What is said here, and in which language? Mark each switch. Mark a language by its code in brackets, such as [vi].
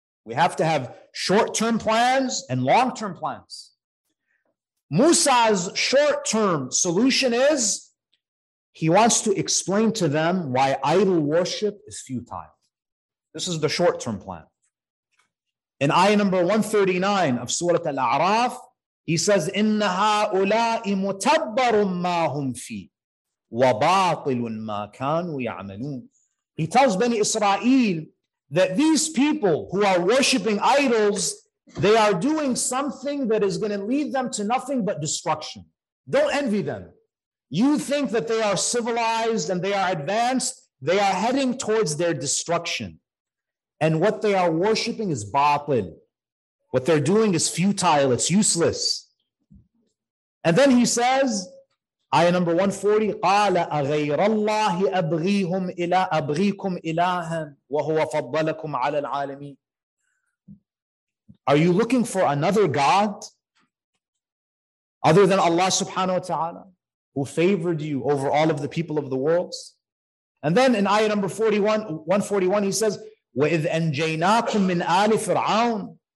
[en] We have to have short-term plans and long-term plans. Musa's short-term solution is he wants to explain to them why idol worship is futile. This is the short-term plan. In ayah number 139 of Surah Al-A'raf, he says, [ar] إِنَّ هَٰؤُلَاءِ مُتَبَّرٌ مَّا هُمْ فِيهِ وَبَاطِلٌ مَا كَانُوا يَعْمَلُونَ. [en] He tells Bani Israel that these people who are worshiping idols, they are doing something that is going to lead them to nothing but destruction. Don't envy them. You think that they are civilized and they are advanced, they are heading towards their destruction. And what they are worshiping is batil. What they're doing is futile, it's useless. And then he says, ayah number 140, [ar] قَالَ أَغَيْرَ اللَّهِ أَبْغِيهُمْ إِلَىٰ أَبْغِيكُمْ إِلَٰهًا وَهُوَ فَضَّلَكُمْ عَلَى الْعَالَمِينَ. [en] Are you looking for another God other than Allah subhanahu wa ta'ala who favored you over all of the people of the worlds? And then in ayah number 141, he says, [ar] وَإِذْ أَنْجَيْنَاكُمْ مِنْ آلِ فِرْعَوْنَ.